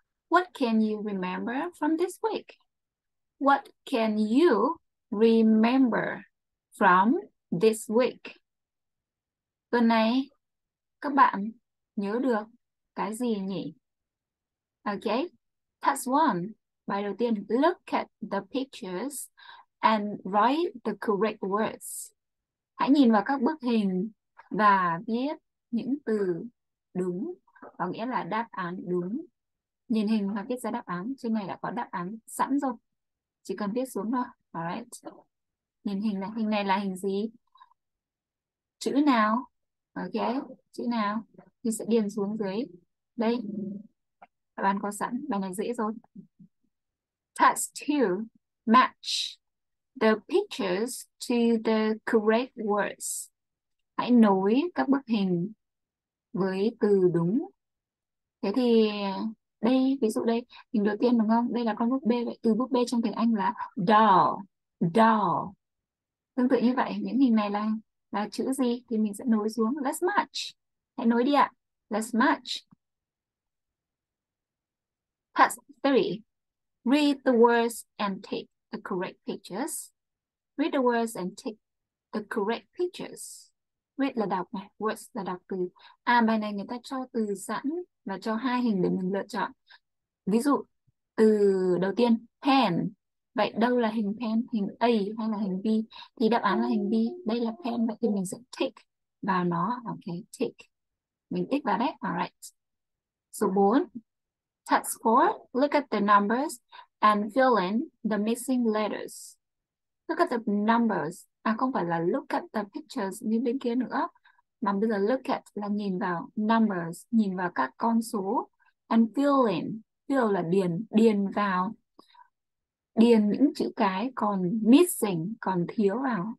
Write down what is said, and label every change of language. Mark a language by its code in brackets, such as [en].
[en] What can you remember from this week? What can you remember from this week? [vi] Tuần này, các bạn nhớ được cái gì nhỉ? [en] Okay, task 1. [vi] Bài đầu tiên, [en] look at the pictures and write the correct words. [vi] Hãy nhìn vào các bức hình và viết những từ đúng, có nghĩa là đáp án đúng. Nhìn hình và viết ra đáp án, trên này đã có đáp án sẵn rồi. Chỉ cần viết xuống thôi. Alright. Nhìn hình này, hình này là hình gì? Chữ nào? Ok, chữ nào? Thì sẽ điền xuống dưới. Đây. Đáp án có sẵn, bài này dễ rồi. [en] Task 2. Match the pictures to the correct words. [vi] Hãy nối các bức hình với từ đúng. Thế thì đây, ví dụ đây, hình đầu tiên đúng không? Đây là con búp bê, vậy từ búp bê trong tiếng Anh là doll, doll. Tương tự như vậy, những hình này là chữ gì thì mình sẽ nối xuống. [en] Let's match. [vi] Hãy nối đi ạ. [en] Let's match. Task 3. Read the words and take the correct pictures. Read the words and take the correct pictures. [vi] Read là đọc này, words là đọc từ. À, bài này người ta cho từ sẵn và cho hai hình để mình lựa chọn. Ví dụ, từ đầu tiên, pen. Vậy đâu là hình pen, hình A hay là hình B? Thì đáp án là hình B. Đây là pen, vậy thì mình sẽ tick vào nó. Ok, tick. Mình tick vào đấy, alright. Số 4. [en] Task 4, look at the numbers and fill in the missing letters. Look at the numbers. [vi] À, không phải là [en] look at the pictures [vi] như bên kia nữa. Mà bây giờ look at là nhìn vào numbers, nhìn vào các con số. [en] And fill in, [vi] fill là điền, điền vào. Điền những chữ cái còn missing, còn thiếu vào.